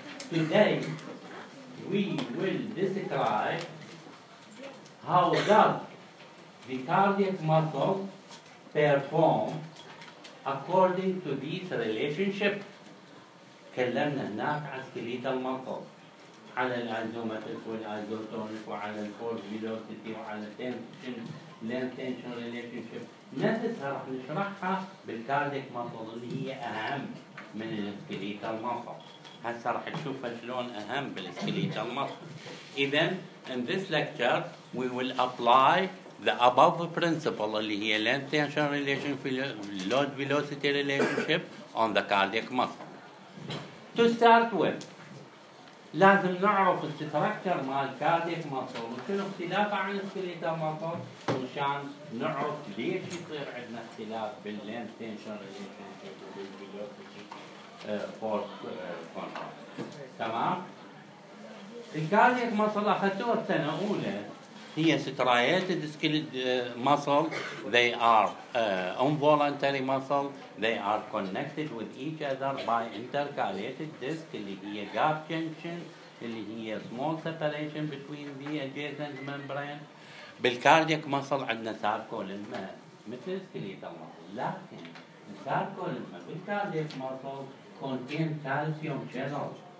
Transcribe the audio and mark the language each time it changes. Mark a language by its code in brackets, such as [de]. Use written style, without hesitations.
[en] Today, we will describe how does the cardiac muscle perform according to this relationship. [ar] تكلمنا هناك عن skeletal muscle، على الايزومتريك والايزوتونيك وعلى الفورس فيلوسيتي وعلى التنشن لينث تنشن ريليشن شيب. نفسها راح نشرحها بالكارديك muscle اللي هي اهم من skeletal muscle. هسه راح تشوفها شلون اهم بالskeletal muscle. [en] اذا in this lecture we will apply the above principle [ar] اللي هي [en] length tension relationship, load velocity relationship on the cardiac muscle. To start with, [ar] لازم نعرف structure مال cardiac muscle وشنو اختلافه عن skeletal muscle، عشان نعرف ليش يصير عندنا اختلاف بال length tension relationship وال velocity force control. تمام؟ الكارديك مسل اخذتوها السنة الأولى هي striated skeletal muscle. [en] They are involuntary muscle. They are connected with each other by intercalated disc [ar] اللي هي [en] gap junction اللي هي small separation between the adjacent membrane. بالcardiac muscle [ar] عندنا [en] sarcolemma مثل skeletal muscle، [ar] لكن [en] sarcolemma بالcardiac muscle contain calcium channels.